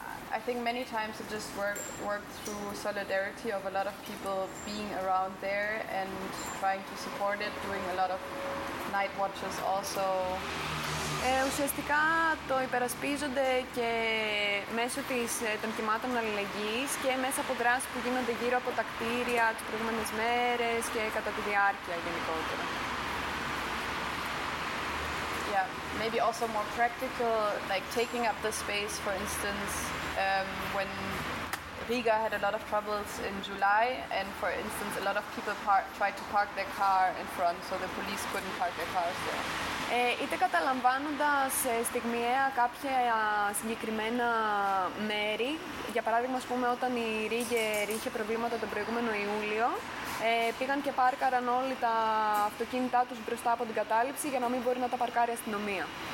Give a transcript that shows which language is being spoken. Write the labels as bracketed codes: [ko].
[en] I think many times it just worked through solidarity of a lot of people being around there and trying to support it, doing a lot of night watches also. [el] Ουσιαστικά το υπερασπίζονται και μέσω των κυμάτων αλληλεγγύης και μέσα από δράσεις που γίνονται γύρω από τα κτίρια τις προηγούμενες μέρες και κατά τη διάρκεια γενικότερα. [en] Yeah, maybe also more practical, like taking up the space, for instance, when Riga had a lot of troubles in July, and for instance, a lot of people tried to park their car in front, so the police couldn't park their cars there. [el] Είτε καταλαμβάνοντας στιγμιαία κάποια συγκεκριμένα μέρη, για παράδειγμα, ας πούμε, όταν η Ρίγερ είχε προβλήματα τον προηγούμενο Ιούλιο, πήγαν και πάρκαραν όλοι τα αυτοκίνητά τους μπροστά από την κατάληψη για να μην μπορεί να τα παρκάρει η αστυνομία.